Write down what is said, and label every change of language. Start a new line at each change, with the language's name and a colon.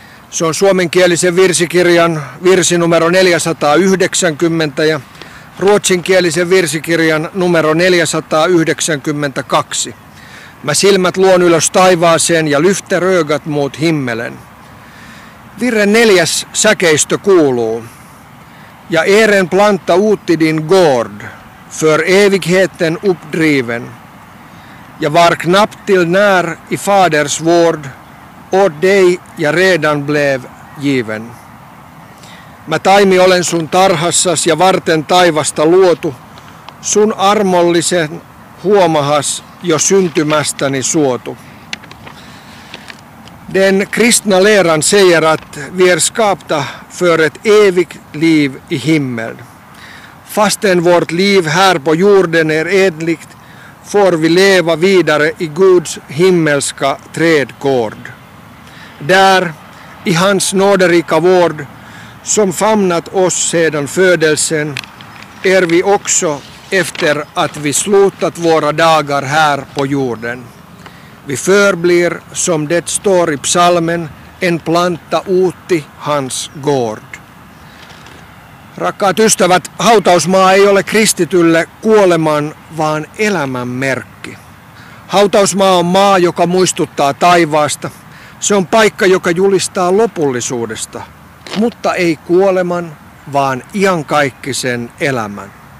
Finnish: Se on suomenkielisen virsikirjan virsi numero 490 ja ruotsinkielisen virsikirjan numero 492. Mä silmät luon ylös taivaaseen ja
Swedish: lyfter ögat mot himmelen.
Finnish: Virren neljäs säkeistö kuuluu.
Swedish: Ja eren planta uti din gård för evigheten uppdriven. Ja var knappt till när i faders vård. Oot dei ja redan blev given.
Finnish: Mä taimi olen sun tarhassas ja varten taivasta luotu, sun armollisen huomahas jo syntymästäni suotu.
Swedish: Den kristna läran säger att vi är skapta för ett evigt liv i himmel. Fasten vårt liv här på jorden är edligt, får vi leva vidare i Guds himmelska trädgård. Där, i hans nåderika vård, som famnat oss sedan födelsen, är vi också efter att vi slutat våra dagar här på jorden. Vi förblir, som det står i psalmen, en planta uti hans gård.
Finnish: Rakkaat ystävät, hautausmaa ei ole kristitylle kuoleman, vaan elämän merkki. Hautausmaa on maa, joka muistuttaa taivaasta. Se on paikka, joka julistaa lopullisuudesta, mutta ei kuoleman, vaan iankaikkisen elämän.